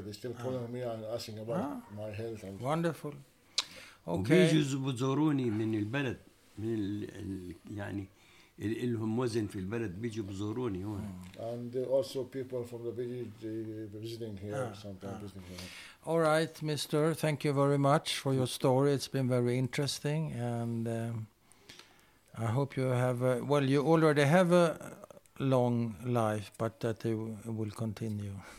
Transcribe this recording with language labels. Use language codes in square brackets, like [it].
[en] They still calling me and asking about my health. And wonderful. Okay. [ar] وبيجوا بزوروني من البلد من يعني لهم وزن في البلد بيجوا بزوروني هون. [en] And also people from the village visiting here sometimes. All right, Mister. Thank you very much for your story. It's been very interesting, and I hope you have a, well. You already have a long life, but that it will continue.